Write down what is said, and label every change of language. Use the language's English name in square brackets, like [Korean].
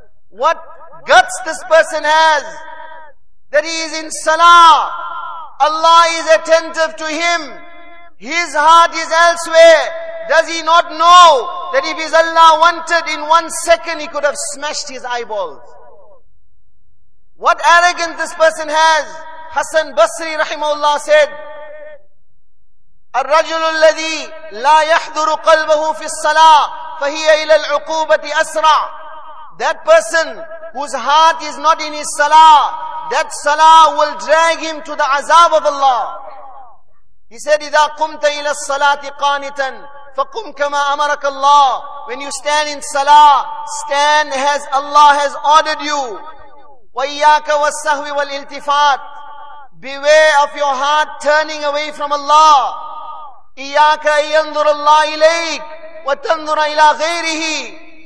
[English] What guts this person has, that he is in salah. Allah is attentive to him. His heart is elsewhere. Does he not know that if his Allah wanted, in 1 second he could have smashed his eyeballs? What arrogance this person has. [Arabic] Hassan Basri rahimahullah said, الرجل الذي لا يحضر قلبه في الصلاة فهي إلى العقوبة أسرع. [English] That person whose heart is not in his salah, that salah will drag him to the azab of Allah. [Arabic] He said, إِذَا قُمْتَ إِلَى الصَّلَاةِ قَانِتًا فَقُمْ كَمَا أَمَرَكَ اللَّهِ. [English] When you stand in salah, stand as Allah has ordered you. [Arabic] وَإِيَّاكَ وَالسَّهْوِ وَالْإِلْتِفَاتِ. [English] Beware of your heart turning away from Allah. [Arabic] إِيَّاكَ يَنْظُرَ اللَّهِ إِلَيْكَ وَتَنْظُرَ إِلَى غَيْرِهِ.